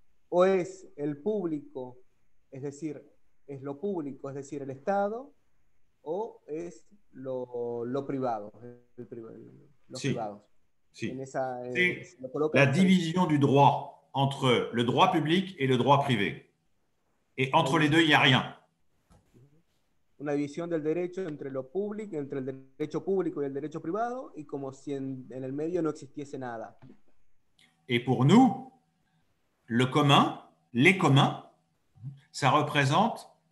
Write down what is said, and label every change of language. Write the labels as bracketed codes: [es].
[es] O es el público, es decir, es lo público, es decir, el Estado, o es lo privado, los sí, privados. Sí. La división [fr] du droit entre le droit public et le droit privé. Et entre les deux, il n'y a rien. [es] Una división del derecho entre lo público, entre el derecho público y el derecho privado, y como si en el medio no existiese nada. [fr] Et pour nous, le commun, les communs, ça représente